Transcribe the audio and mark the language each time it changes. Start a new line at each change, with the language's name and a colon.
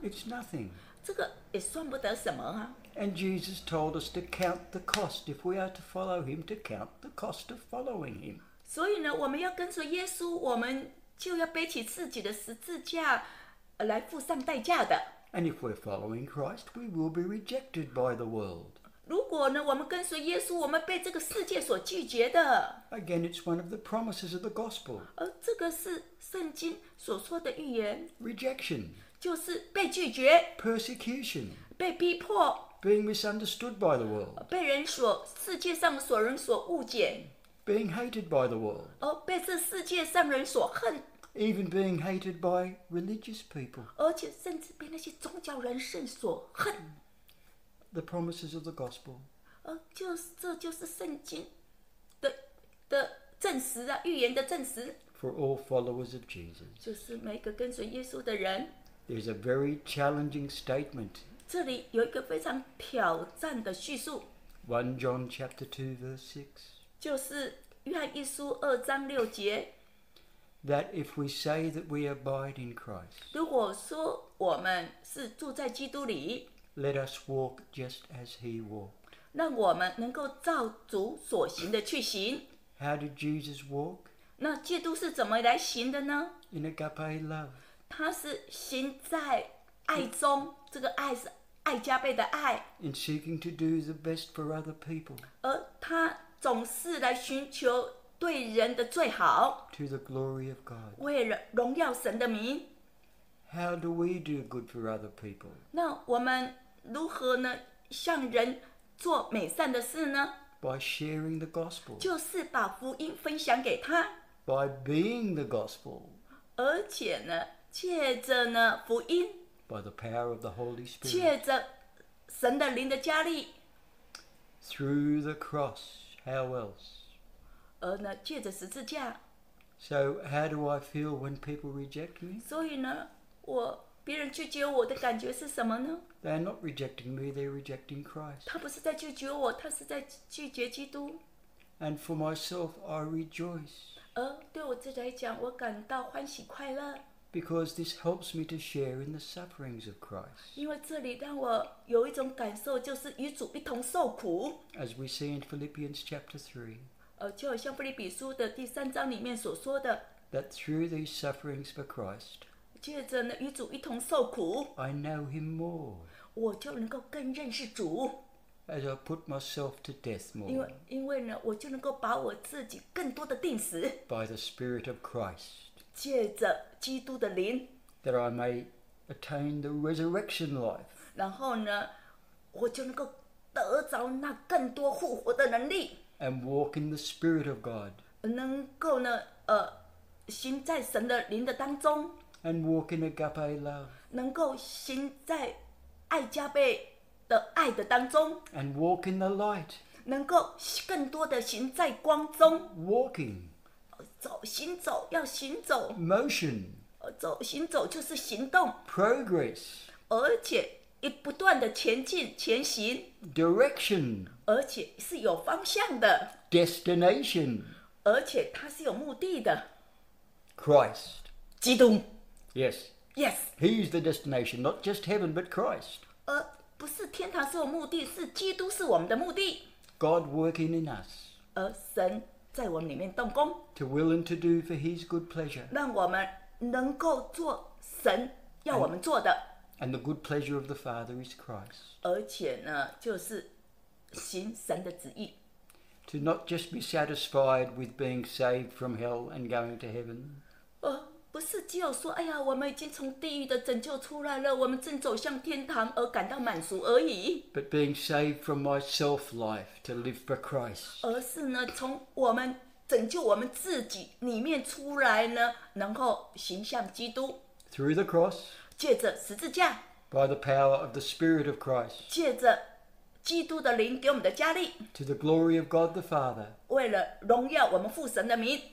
English: It's nothing.
Chinese: 这个也算不得什么啊。
English: And Jesus told us to count the cost. If we are to follow him, to count the cost of following him.
Chinese: 所以呢，我们要跟随耶稣，我们就要背起自己的十字架来付上代价的。
English: And if we're following Christ, we will be rejected by the world.
Chinese: 如果呢，我们跟随耶稣，我们被这个世界所拒绝的。
English: Again, it's one of the promises of the gospel.
Chinese: 这个是圣经所说的预言。
English: Rejection.
Chinese: 就是被拒绝。
English: Persecution.
Chinese: 被逼迫。
English: Being misunderstood by the world.
Chinese: 被人所世界上所人所误解。
English: Being hated by the world.
Chinese: 被这世界上人所恨。
English: Even being hated by religious people.
Chinese: 而且甚至被那些宗教人士所恨。
English: The promises of the gospel.
Chinese: 这就是圣经的证实啊，预言的证实。
English: For all followers of Jesus.
Chinese: 就是每个跟随耶稣的人。
English: There's a very challenging statement.
Chinese: 这里有一个非常挑战的叙述。
English: 1 John chapter 2 verse 6.
Chinese: 就是约翰一书二章六节。
English: That if we say that we abide in Christ,
Chinese: 如果说我们是住在基督里,
English: let us walk just as he walked.
Chinese: 让我们能够照主所行的去行。
English: How did Jesus walk?
Chinese: 那基督是怎么来行的呢?
English: In agape love.
Chinese: 他是行在爱中, 这个爱是爱加倍的爱。
English: In seeking to do the best for other people.
Chinese: 而他总是来寻求对人的最好。
English: To the glory of God.
Chinese: 为了荣耀神的名。
English: How do we do good for other people?
Chinese: 那我们如何呢？向人做美善的事呢？
English: By sharing the gospel.
Chinese: 就是把福音分享给他。
English: By being the gospel.
Chinese: 而且呢，借着呢福音。
English: By the power of the Holy Spirit.
Chinese: 借着神的灵的加力。
English: Through the cross. How else?
Chinese: 而呢，借着十字架。
English: So how do I feel when people reject me?
Chinese: 所以呢，我别人拒绝我的感觉是什么呢？
English: They're not rejecting me, they're rejecting Christ.
Chinese: 他不是在拒绝我，他是在拒绝基督。
English: And for myself, I rejoice.
Chinese: 而对我自己来讲，我感到欢喜快乐。
English: Because this helps me to share in the sufferings of Christ.
Chinese: 因为这里让我有一种感受，就是与主一同受苦。
English: As we see in Philippians chapter 3.
Chinese: 就好像腓立比书的第三章里面所说的
English: that through these sufferings for Christ,
Chinese: 借着呢与主一同受苦
English: I know him more,
Chinese: 我就能够更认识主
English: as I put myself to death more,
Chinese: 因为呢我就能够把我自己更多的钉死
English: by the Spirit of Christ,
Chinese: 借着基督的灵
English: that I may attain the resurrection life,
Chinese: 然后呢我就能够得着那更多复活的能力
English: And walk in the Spirit of God.
Chinese: 能够呢，行在神的灵的当中。
English: And walk in agape love.
Chinese: 能够行在爱加倍的爱的当中。
English: And walk in the light.
Chinese: 能够更多的行在光中。
English: Walking.
Chinese: 走，行走，要行走。
English: Motion.
Chinese: 走，行走就是行动。
English: Progress.
Chinese: 而且也不断的前进，前行。
English: Direction.
Chinese: 而且是有方向的。
English: Destination.
Chinese: 而且它是有目的的。
English: Christ.
Chinese: 基督。
English: Yes. Yes. He is the destination, not just heaven, but Christ.
Chinese: 不是天堂是我目的，是基督是我们的目的。
English: God working in us.
Chinese: 神在我们里面动工。
English: To will and to do for his good pleasure.
Chinese: 让我们能够做神要我们做的。
English: And the good pleasure of the Father is Christ.
Chinese: 而且呢，就是行神的旨意。
English: To not just be satisfied with being saved from hell and going to heaven.
Chinese: 不是只有说，哎呀，我们已经从地狱的拯救出来了，我们正走向天堂而感到满足而已。
English: But being saved from my self life to live for Christ.
Chinese: 而是呢，从我们拯救我们自己里面出来呢，能够行向基督。
English: Through the cross.
Chinese: 借着十字架
English: by the power of the Spirit of Christ
Chinese: 借着基督的灵给我们的加力。
English: To the glory of God the Father.
Chinese: 为了荣耀我们父神的名。